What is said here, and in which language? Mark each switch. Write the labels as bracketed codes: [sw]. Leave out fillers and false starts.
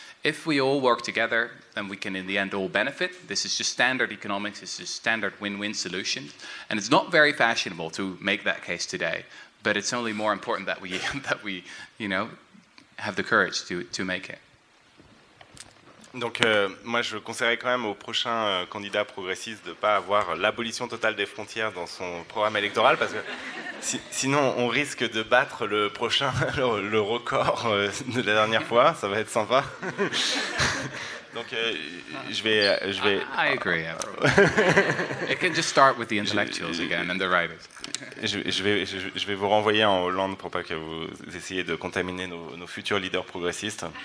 [en] If we all work together, then we can in the end all benefit. This is just standard economics, this is standard win-win solution. And it's not very fashionable to make that case today, but it's only more important that we you know, have the courage to make it. [fr] Donc, moi, je conseillerais quand même au prochain candidat progressiste de ne pas avoir l'abolition totale des frontières dans son programme électoral, parce que sinon, on risque de battre le record de la dernière fois. Ça va être sympa. Donc, je vais. [en] I agree. Yeah, it can just start with the intellectuals again and the writers. [fr] Je vais vous renvoyer en Hollande pour pas que vous essayiez de contaminer nos futurs leaders progressistes.